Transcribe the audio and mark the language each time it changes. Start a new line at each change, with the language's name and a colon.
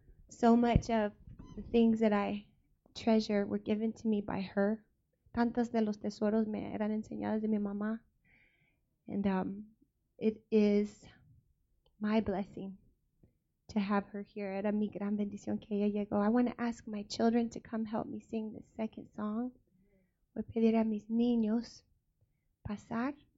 English: So much of the things that I treasure were given to me by her.
Spanish: Tantos de los tesoros me eran enseñados de mi mamá.
English: And it is my blessing to have her here.
Spanish: Era mi gran bendición que ella llegó.
English: I want to ask my children to come help me sing the second song.
Spanish: Voy a pedir a mis niños pasar.